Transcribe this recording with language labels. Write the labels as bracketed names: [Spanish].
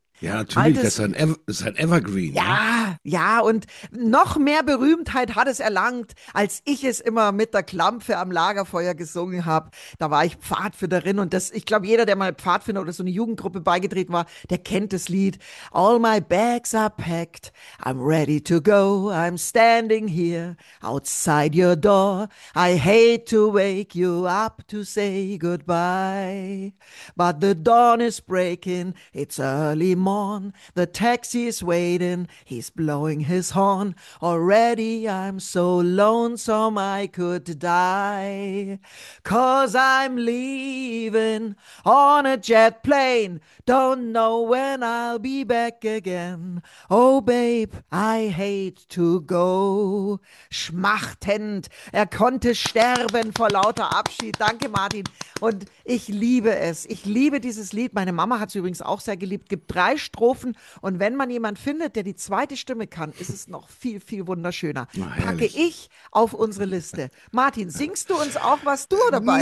[German] Ja, natürlich, altes, das ist ein Evergreen. Ja, ja, und noch mehr Berühmtheit hat es erlangt, als ich es immer mit der Klampfe am Lagerfeuer gesungen habe. Da war ich Pfadfinderin und das, ich glaube, jeder, der mal Pfadfinder oder so eine Jugendgruppe beigetreten war, der kennt das Lied. [English] All my bags are packed, I'm ready to go, I'm standing here outside your door. I hate to wake you up to say goodbye, but the dawn is breaking, it's early morn, the taxi is waiting, he's blowing his horn, already I'm so lonesome I could die, cause I'm leaving on a jet plane, don't know when I'll be back again, oh babe, I hate to go. [German] Schmachtend, er konnte sterben vor lauter Abschied, danke Martin, und ich liebe es, ich liebe dieses Lied, meine Mama hat es übrigens auch sehr geliebt, gibt 3 Strophen und wenn man jemanden findet, der die zweite Stimme kann, ist es noch viel, viel wunderschöner. Na, packe ich auf unsere Liste. Martin, singst du uns auch was du dabei